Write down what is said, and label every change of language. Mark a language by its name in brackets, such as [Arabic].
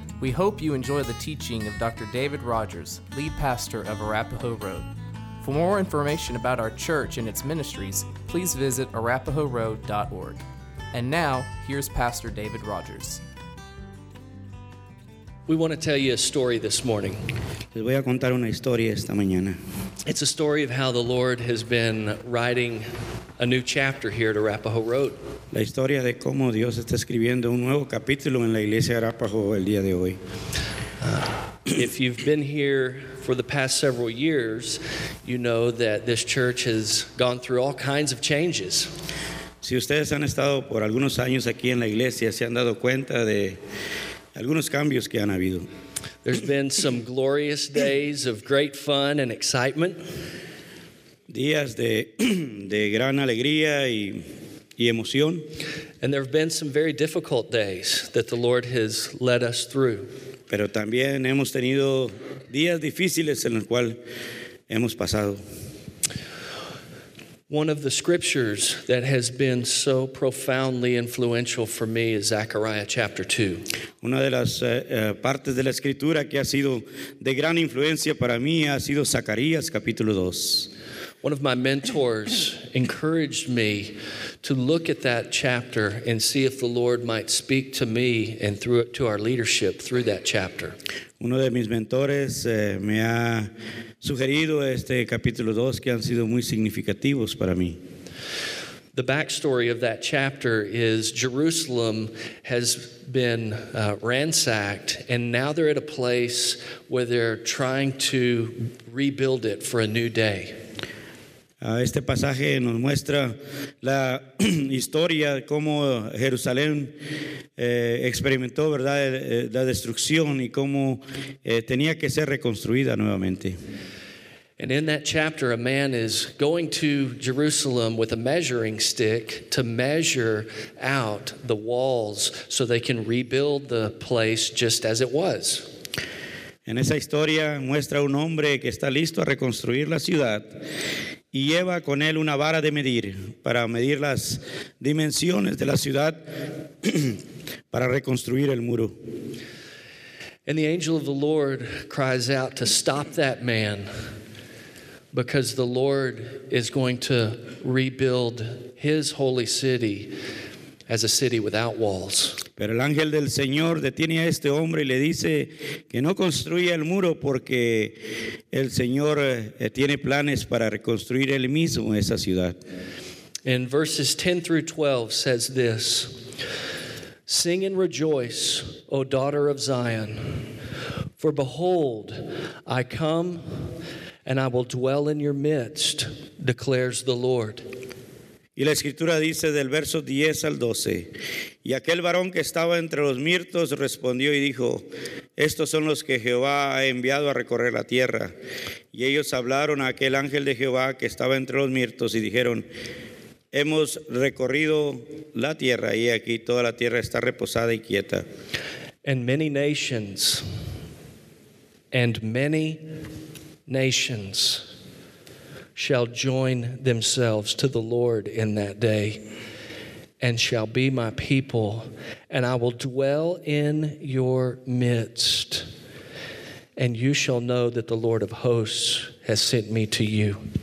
[English] We hope you enjoy the teaching of Dr. David Rogers, lead pastor of Arapahoe Road. For more information about our church and its ministries, please visit arapahoeroad.org. And now, here's Pastor David Rogers. We want to tell you a story this morning. [Spanish] Les voy a contar una historia esta mañana. [English] It's a story of how the Lord has been writing a new chapter here at Arapahoe Road. [Spanish] La historia de cómo Dios está escribiendo un nuevo capítulo en la iglesia de Arapahoe el día de hoy. [English] If you've been here for the past several years, you know that this church has gone through all kinds of changes. [Spanish] Si ustedes han estado por algunos años aquí en la iglesia, se han dado cuenta de algunos cambios que han habido. [English] There's been some glorious days of great fun and excitement. [Spanish] Días de gran alegría y emoción. [English] And there have been some very difficult days that the Lord has led us through. [Spanish] Pero también hemos tenido días difíciles en los cuales hemos pasado. [English] One of the scriptures that has been so profoundly influential for me is Zechariah chapter 2. [Spanish] Una de las partes de la escritura que ha sido de gran influencia para mí ha sido Zacarías capítulo 2. [English] One of my mentors encouraged me to look at that chapter and see if the Lord might speak to me and through to our leadership through that chapter. [Spanish] Uno de mis mentores me ha sugerido este capítulo 2 que han sido muy significativos para mí. [English] The backstory of that chapter is Jerusalem has been ransacked, and now they're at a place where they're trying to rebuild it for a new day. [Spanish] Este pasaje nos muestra la historia cómo Jerusalén experimentó, ¿verdad?, la destrucción y cómo tenía que ser reconstruida nuevamente. [English] And in that chapter, a man is going to Jerusalem with a measuring stick to measure out the walls so they can rebuild the place just as it was. [Spanish] En esa historia muestra un hombre que está listo a reconstruir la ciudad y lleva con él una vara de medir para medir las dimensiones de la ciudad para reconstruir el muro. [English] And the angel of the Lord cries out to stop that man because the Lord is going to rebuild his holy city as a city without walls. [Spanish] Pero el ángel del Señor detiene a este hombre y le dice que no construya el muro porque el Señor tiene planes para reconstruir él mismo esa ciudad. [English] In verses 10 through 12 says this: Sing and rejoice, O daughter of Zion, for behold, I come and I will dwell in your midst, declares the Lord. [Spanish] Y la escritura dice del verso 10 al 12, y aquel varón que estaba entre los mirtos respondió y dijo, estos son los que Jehová ha enviado a recorrer la tierra. Y ellos hablaron a aquel ángel de Jehová que estaba entre los mirtos y dijeron, hemos recorrido la tierra y aquí toda la tierra está reposada y quieta. [English] And many nations, shall join themselves to the Lord in that day and shall be my people, and I will dwell in your midst, and you shall know that the Lord of hosts has sent me to you.